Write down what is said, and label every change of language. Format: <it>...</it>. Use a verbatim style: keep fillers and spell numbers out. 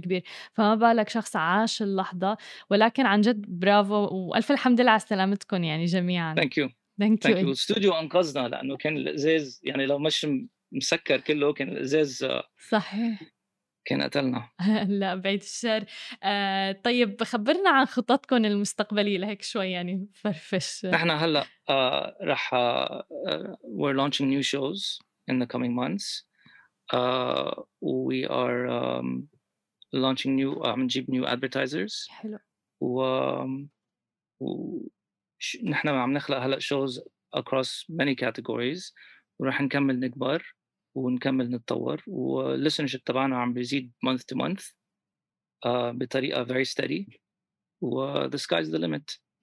<ar>كبير، فما بالك شخص عاش اللحظة. ولكن عن جد برافو وألف الحمد لله على سلامتكم يعني جميعاً.</ar> <en>Thank you. Thank you.</en> <ar>الاستوديو أنقذنا لأنه كان الإزاز يعني لو مش مسكر كله كان الإزاز صحيح كان قتلنا. لا بعيد الشر. آه طيب خبرنا عن خططكم المستقبلية لهيك شوي يعني فرفش. نحن هلأ آه رح آه</ar> <en>we're launching new shows in the coming months. Uh, we are um, launching new</en> <ar>عم نجيب</ar> <en>new advertisers.</en> <ar>حلو. و, و... ش... نحن عم نخلق هلأ</ar> <en>shows across many categories،</en> <ar>ورح نكمل نكبر ونكمل نتطور، والlistenership تبعنا عم بيزيد</ar> <en>month to month</en> <ar>uh, بطريقة</ar> <en>very steady،</en> <ar>و</ar> <en>the sky's the limit.</en>